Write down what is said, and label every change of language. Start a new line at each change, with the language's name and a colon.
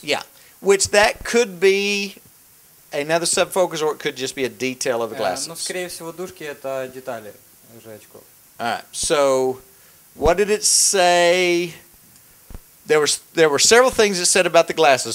English: Yeah, which that could be another sub-focus, or it could just be a detail of the glasses.
Russian: Ну, скорее всего, дужки – это детали уже очков.
English: All right, so what did it say? There were several things it said about the glasses.